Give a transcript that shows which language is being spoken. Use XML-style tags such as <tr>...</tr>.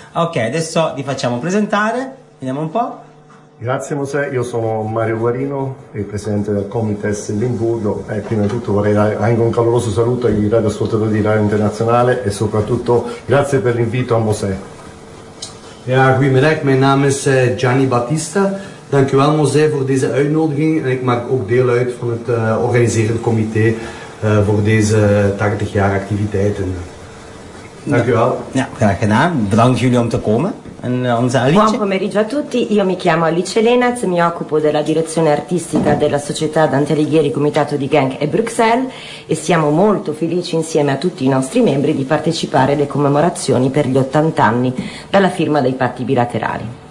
<it>Ok, adesso li facciamo presentare, vediamo un po'. Grazie Mosè, io sono Mario Guarino, il presidente del Comites Limburgo e prima di tutto vorrei dare anche un caloroso saluto ai radioascoltatori di Radio Internazionale e soprattutto grazie per l'invito a Mosè.</it> <de>Ja, guten Tag, mein Name ist Gianni Battista,</de> <nl>Dankjewel Mosé voor deze uitnodiging en ik maak ook deel uit van het organiserende comité voor deze 80 jaar activiteiten. Dankjewel. Ja, graag gedaan. Bedankt jullie om te komen.</nl> <it>Buon pomeriggio a tutti, io mi chiamo Alice Lenaz, mi occupo della direzione artistica della società Dante Alighieri Comitato di Genk e Bruxelles e siamo molto felici insieme a tutti i nostri membri di partecipare alle commemorazioni per gli 80 anni dalla firma dei patti bilaterali.</it>